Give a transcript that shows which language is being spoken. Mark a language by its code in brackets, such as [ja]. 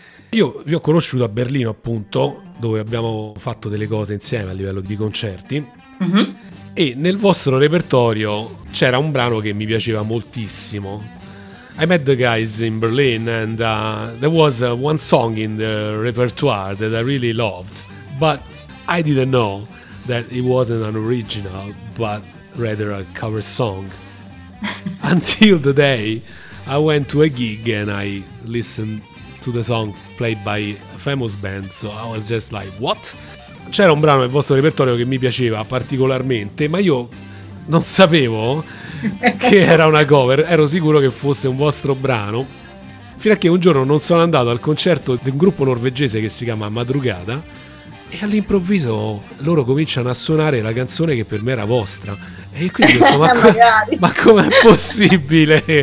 [it] Io vi ho conosciuto a Berlino, appunto, dove abbiamo fatto delle cose insieme a livello di concerti. Mm-hmm. E nel vostro repertorio c'era un brano che mi piaceva moltissimo. [en] I met the guys in Berlin and there was one song in the repertoire that I really loved, but I didn't know that it wasn't an original, but rather a cover song. Until the day I went to a gig and I listened to the song played by a famous band, so I was just like, what? [it] C'era un brano nel vostro repertorio che mi piaceva particolarmente, ma io non sapevo che era una cover, ero sicuro che fosse un vostro brano, fino a che un giorno non sono andato al concerto di un gruppo norvegese che si chiama Madrugada, e all'improvviso loro cominciano a suonare la canzone che per me era vostra, e quindi ho detto, ma com'è possibile?